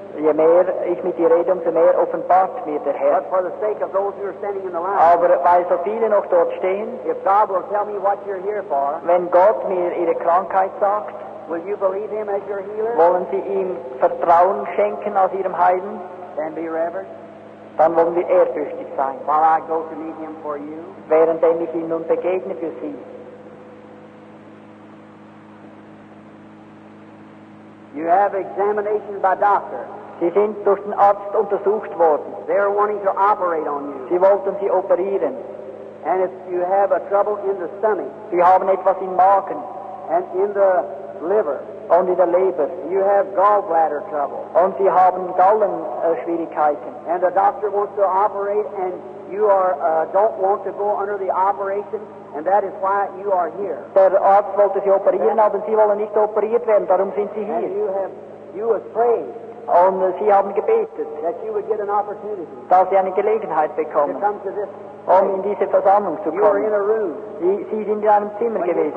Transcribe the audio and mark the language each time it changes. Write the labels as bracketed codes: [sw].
[de] Je mehr ich mit dir rede, umso mehr offenbart mir der Herr. [en] But for the sake of those who are standing in the line. [de] Aber weil so viele noch dort stehen. [en] If God will tell me what you're here for. [de] Wenn Gott mir ihre Krankheit sagt. [en] Will you believe him as your healer? [de] Wollen Sie ihm Vertrauen schenken als Ihrem Heilen? [en] Then be reverent. [de] Dann wollen wir ehrfürchtig sein. [en] While I go to meet him for you. [de] Während ich ihm nun begegne für Sie. [en] You have examination by doctor. [de] Sie sind durch den Arzt untersucht worden. [en] They are wanting to operate on you. [de] Sie wollten Sie operieren. [en] And if you have a trouble in the stomach. [de] Sie haben etwas im Magen. [en] And in the liver. [de] Und in der Leber. [en] You have gallbladder trouble. [de] Und Sie haben Gallenschwierigkeiten. [en] And the doctor wants to operate and you are don't want to go under the operation. And that is why you are here. [de] Der Arzt wollte Sie operieren, aber Sie wollen nicht operiert werden. Darum sind Sie hier. [en] And you have prayed. [de] Und Sie haben gebetet, [en] that you would get an opportunity, [de] dass Sie eine Gelegenheit bekommen, [en] to come to this, [de] um in diese Versammlung zu kommen. [en] You are in a room, [de] Sie sind in einem Zimmer gewesen,